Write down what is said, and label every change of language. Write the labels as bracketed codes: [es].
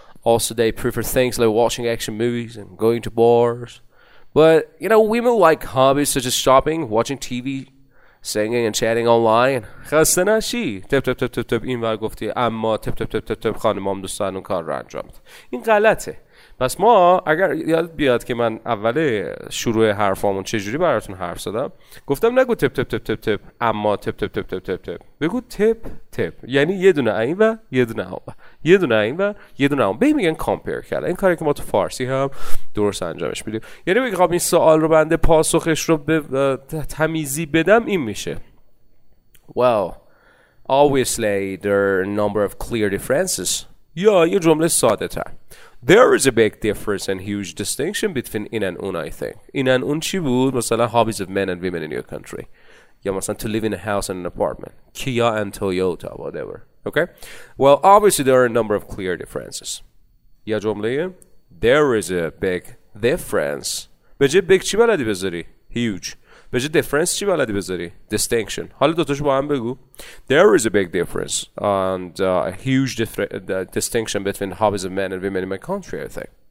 [en] Also, they prefer things like watching action movies and going to bars. But, you know, women like hobbies such as shopping, watching TV, singing and chatting online. [fa] خسته نشی. تپ تپ تپ تپ تپ این بار گفتی. اما تپ تپ تپ تپ تپ خانمام دوستان اون کار را انجام میده. این غلطه. پس ما اگر یادت بیاد که من اول شروع حرفامون چجوری براتون حرف زدم، گفتم نگو تپ تپ تپ تپ تپ اما تپ تپ تپ تپ تپ تپ، بگو تپ تپ، یعنی یه دونه این و یه دونه اون، یه دونه این و یه دونه اون. ببین میگن کامپیر کرد، این کاری که ما تو فارسی هم درست انجامش میدیم، یعنی میگه خب این سوال رو بنده پاسخش رو به تمیزی بدم این میشه [en] Well, obviously there are a number of clear differences. [fa] یا یه جمله ساده تر، [en] There is a big difference and huge distinction between in and un, I think. In and un [fa] چی بود؟ مثلا [en] hobbies of men and women in your country. [fa] یا مثلا [en] to live in a house and an apartment. Kia and Toyota, whatever. Okay? Well, obviously there are a number of clear differences. [fa] یا جمله یه؟ [en] There is a big difference. [fa] به جه big چی بلدی بذاری؟ Huge. به جه difference چی بلدی بذاری؟ Distinction. حالا دوتاشو با هم بگو. [en] There is a big difference and a huge distinction between hobbies of men and women in my country, I think.